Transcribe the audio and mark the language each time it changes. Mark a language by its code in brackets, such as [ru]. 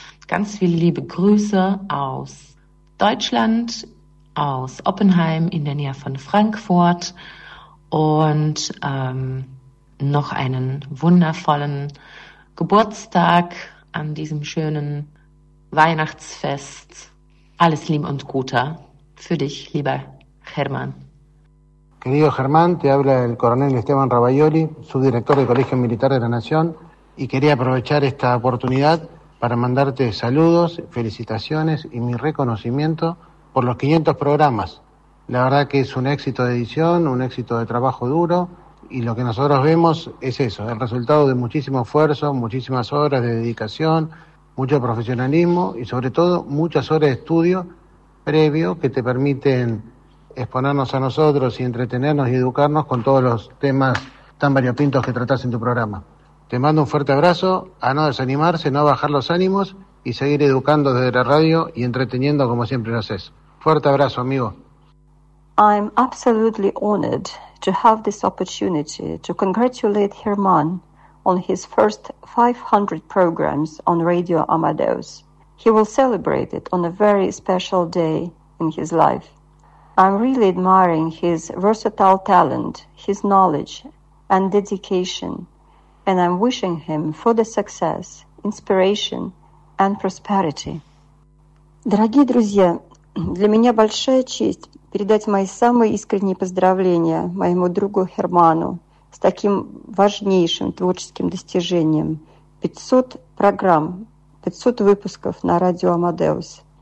[de] Ganz viele liebe Grüße aus Deutschland, aus Oppenheim in der Nähe von Frankfurt und noch einen wundervollen Geburtstag an diesem schönen Weihnachtsfest. Alles Liebe und Gute für dich, lieber Hermann. [es] Querido Germán, te habla el coronel Esteban Ravaglioli, subdirector del Colegio Militar de la Nación. y quería aprovechar esta oportunidad para mandarte saludos, felicitaciones y mi reconocimiento por los 500 programas. La verdad que es un éxito de edición, un éxito de trabajo duro, y lo que nosotros vemos es eso, el resultado de muchísimo esfuerzo, muchísimas horas de dedicación, mucho profesionalismo y sobre todo muchas horas de estudio previo que te permiten exponernos a nosotros y entretenernos y educarnos con todos los temas tan variopintos que tratás en tu programa. Te mando un fuerte abrazo, a no desanimarse, no bajar los ánimos y seguir educando desde la radio y entreteniendo como siempre lo haces. Fuerte abrazo, amigo. [en] I'm absolutely honored to have this opportunity to congratulate Germán on his first 500 programs on Radio Amadeus. He will celebrate it on a very special day in his life. I'm really admiring his versatile talent, his knowledge and dedication, and I'm wishing him further success, inspiration and prosperity. [ru] Дорогие друзья, для меня большая честь передать мои самые искренние поздравления моему другу Херману с таким важнейшим творческим достижением – 500 программ, 500 выпусков на радио Амадеус.